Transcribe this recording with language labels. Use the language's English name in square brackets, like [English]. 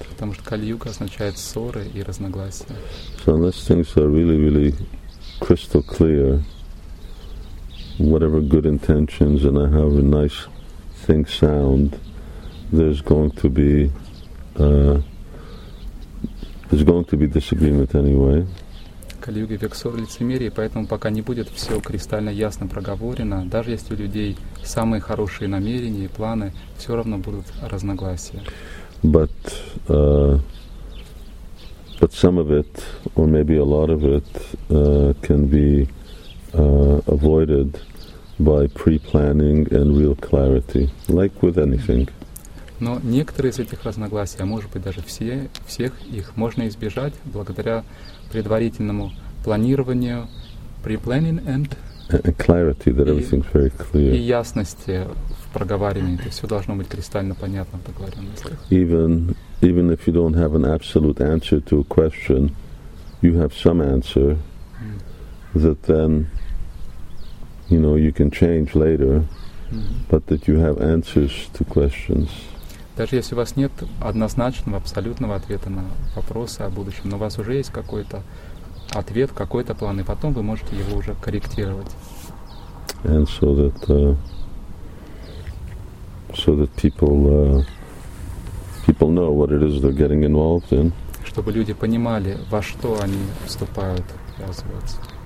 [Russian] Потому что Kali Yuga означает ссоры и разногласия. [English] So unless things are really, really crystal clear, whatever good intentions and however nice things sound, there's going to be disagreement anyway. [Russian] Кали-юга — век ссор и лицемерия, поэтому пока не будет все кристально ясно проговорено, даже если у людей самые хорошие намерения и планы, все равно будут разногласия. [English] But some of it, or maybe a lot of it, can be avoided by pre-planning and real clarity, like with anything. [Russian] Но некоторые из этих разногласий, а может быть даже всех их, можно избежать благодаря предварительному планированию, [English] pre-planning and clarity, that everything's very clear. [Russian] И ясности в проговаривании, то есть все должно быть кристально понятно в договоренностях. [English] Even if you don't have an absolute answer to a question, you have some answer that then, you can change later, but that you have answers to questions. [Russian] Даже если у вас нет однозначного, абсолютного ответа на вопросы о будущем, но у вас уже есть какой-то ответ, какой-то план, и потом вы можете его уже корректировать. [English] And so that people know what it is they're getting involved in. [Russian] Чтобы люди понимали, во что они вступают, ввязываются.